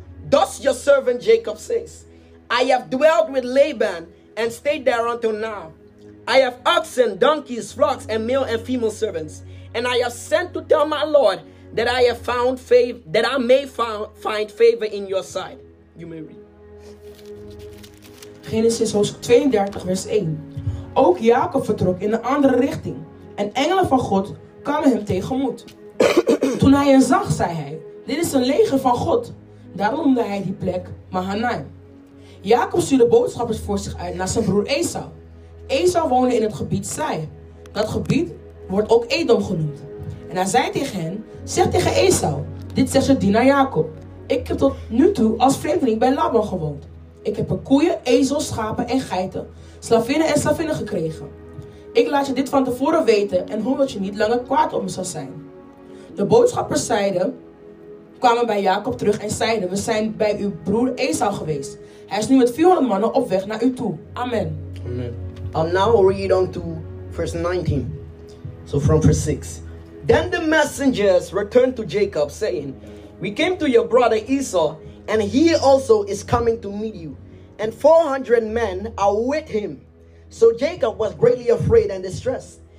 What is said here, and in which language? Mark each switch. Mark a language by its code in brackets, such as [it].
[en] Thus your servant Jacob says, I have dwelt with Laban and stayed there until now. I have oxen, donkeys, flocks, and male and female servants. And I have sent to tell my lord that I have found favor, that I may find favor in your sight. You may read. Genesis 32, verse 1. [nl] Ook Jacob vertrok in een andere richting. En engelen van God kwamen hem tegemoet. Toen hij hen zag, zei hij, dit is een leger van God. Daarom noemde hij die plek Mahanaim. Jacob stuurde boodschappers voor zich uit naar zijn broer Esau. Esau woonde in het gebied Sai. Dat gebied wordt ook Edom genoemd. En hij zei tegen hen, zeg tegen Esau, dit zegt zijn dienaar Jacob. Ik heb tot nu toe als vreemdeling bij Laban gewoond. Ik heb er koeien, ezels, schapen en geiten, slavinnen en slavinnen gekregen. Ik laat je dit van tevoren weten en hoop dat je niet langer kwaad op me zal zijn. De boodschappers zeiden, kwamen bij Jacob terug en zeiden, we zijn bij uw broer Esau geweest. Hij is nu met 400 mannen op weg naar u toe. [en] Amen. Amen. And now we read on to verse 19. So from verse 6. Then the messengers returned to Jacob saying, we came to your brother Esau, and he also is coming to meet you. And 400 men are with him. So Jacob was greatly afraid and distressed.